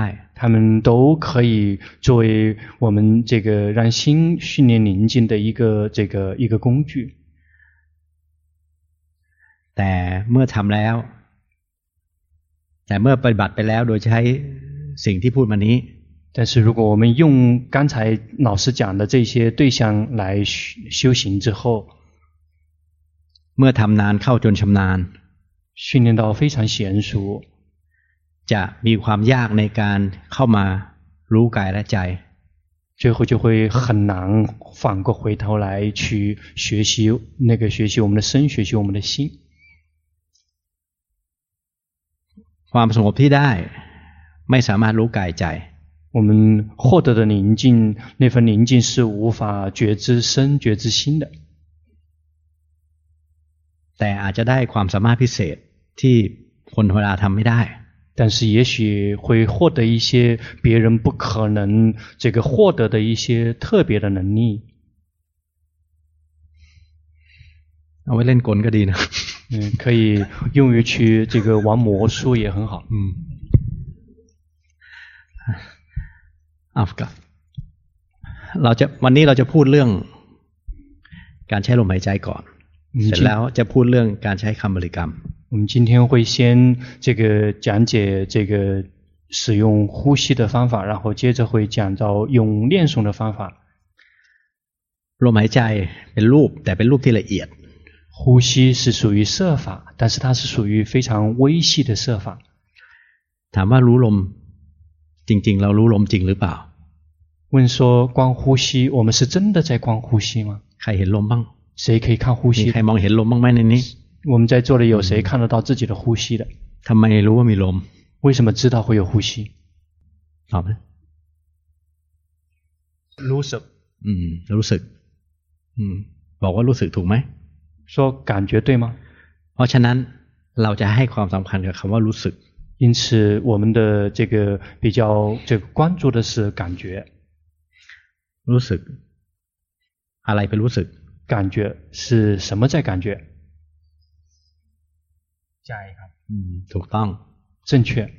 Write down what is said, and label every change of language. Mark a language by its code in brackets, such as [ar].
[zh] 他们都可以作为我们这个让心训练宁静的一个工具 [th] แต่เมื่อทำแล้วแต่เมื่อปฏิบัติไปแล้วโดยใช้สิ่งที่พูดมานี้ [zh] 但是如果我们用刚才老师讲的这些对象来修行之后 [th] เมื่อทำนานเข้าจนชำนาญ [zh] 训练到非常娴熟 [th] จะมีความยากในการเข้ามารู้กายและใจ [zh] 最后就会很难反过回头来去学习那个学习我们的身学习我们的心 [th] ความสงบที่ได้ไม่สามารถรู้กายใจ [zh] 我们获得的宁静那份宁静是无法觉知身觉知心的 [th] แต่อาจจะได้ความสามารถพิเศษที่คนธรรมดาทำไม่ได้ [zh] 但是也许会获得一些别人不可能这个获得的一些特别的能力 [th] เอาไว้เล่นกลก็ดีนะ [zh] 可以用于去这个玩魔术也很好 [th] ครับเราจะวันนี้เราจะพูดเรื่องการใช้ลมหายใจก่อนเสร็จแล้วจะพูดเรื่องการใช้คำบริกรรม [zh] 我们今天会先这个讲解这个使用呼吸的方法然后接着会讲到用念诵的方法 [th] ลมหายใจเป็นรูปแต่เป็นรูปที่ละเอียด [zh] 呼吸是属于色法但是它是属于非常微细的色法 [th] ถามว่ารู้ลมจริงๆเรารู้ลมจริงหรือเปล่า [zh] 问说光呼吸我们是真的在光呼吸吗 [th] ใครเห็นลมบ้าง [zh] 谁可以看呼吸 [th] มีใครมองเห็นลมบ้างไหมในนี้ [zh] 我们在座的有谁看得到自己的呼吸的 [th] ทำไมรู้ว่ามีลม [zh] 为什么知道会有呼吸 [th] ตอบไหม รู้สึก รู้สึกบอกว่ารู้สึกถูกไหม [zh] 说感觉对吗 [th] เพราะฉะนั้นเราจะให้ความสำคัญกับคำว่ารู้สึก [zh] 因此我们的这个比较这个关注的是感觉 [th] รู้สึกอะไรเป็นรู้สึก [zh] 感觉是什么在感觉 [th] ใจครับ ถูกต้อง [zh] 正确